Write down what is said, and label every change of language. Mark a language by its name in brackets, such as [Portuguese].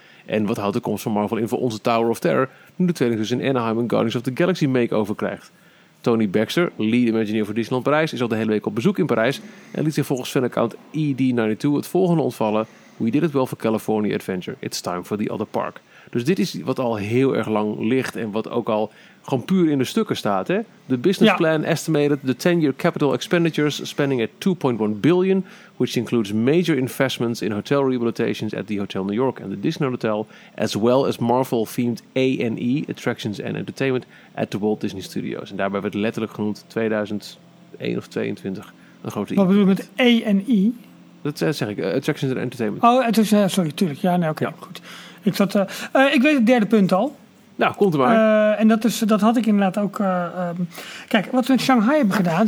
[Dutch] En wat houdt de komst van Marvel in voor onze Tower of Terror? Nu de tweeling dus in Anaheim een Guardians of the Galaxy makeover krijgt. Tony Baxter, lead Imagineer voor Disneyland Parijs, is al de hele week op bezoek in Parijs. En liet zich volgens fanaccount ED92 het volgende ontvallen. [English] We did it well for California Adventure. It's time for the other park. [Dutch] Dus dit is wat al heel erg lang ligt en wat ook al gewoon puur in de stukken staat. Hè? [English] The business plan estimated the 10-year capital expenditures spending at $2.1 billion, which includes major investments in hotel rehabilitations at the Hotel New York and the Disneyland Hotel, as well as Marvel-themed A&E, Attractions and Entertainment, at the Walt Disney Studios. [Dutch] En daarbij werd letterlijk genoemd 2001 of 2022 een grote... Wat bedoel je met A&E? Dat zeg ik, Attractions and Entertainment. Oh, sorry, tuurlijk. Ja, nee, oké, goed. Ik zat, ik weet het derde punt al. Nou, komt er maar. En dat, is, dat had ik inderdaad ook. Kijk, wat ze in Shanghai hebben gedaan.